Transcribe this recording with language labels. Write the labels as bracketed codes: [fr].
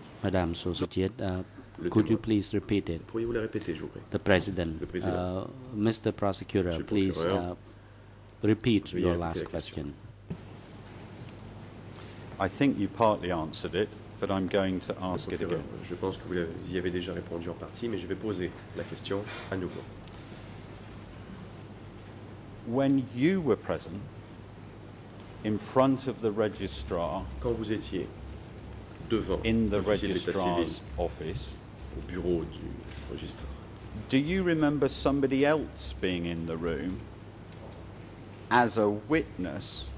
[en] Madame Sochiet, could you please repeat it? [fr] Pourriez-vous la répéter, je vous prie? [en] The President, Mr. Prosecutor, please repeat your last question. I think you partly answered it, but I'm going to ask it again. [fr] Je pense que vous y avez déjà répondu en partie, mais je vais poser la question à nouveau. [en] When you were present in front of the registrar, [fr] quand vous étiez devant [en] in the registrar's office, [fr] au bureau du registre, [en] do you remember somebody else being in the room as a witness